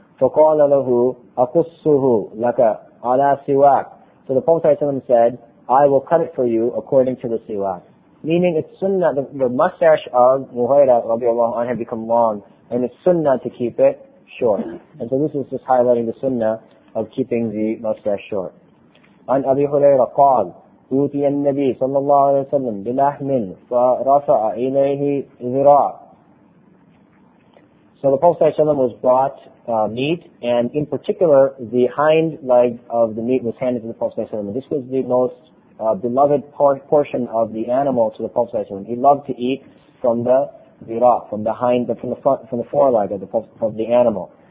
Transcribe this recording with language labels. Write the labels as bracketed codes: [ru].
[ar] فَقَالَ لَهُ أَقُصُّهُ لَكَ عَلَى سِوَاكَ. [en] So the Prophet ﷺ said, I will cut it for you according to the siwak. Meaning it's sunnah, the mustache of Mughayrah radiallahu anhu had become long, and it's sunnah to keep it short. And so this is just highlighting the sunnah of keeping the mustache short. [ar] عن أبي هريرة قال أوتي النبي صلى الله عليه وسلم بلحم فرفع إليه ذراع. [en] So the Prophet ﷺ was brought meat, and in particular, the hind leg of the meat was handed to the Prophet ﷺ. And this was the most beloved portion of the animal to the Prophet ﷺ. He loved to eat from the ذراع, from the hind, from the front, from the foreleg of the animal.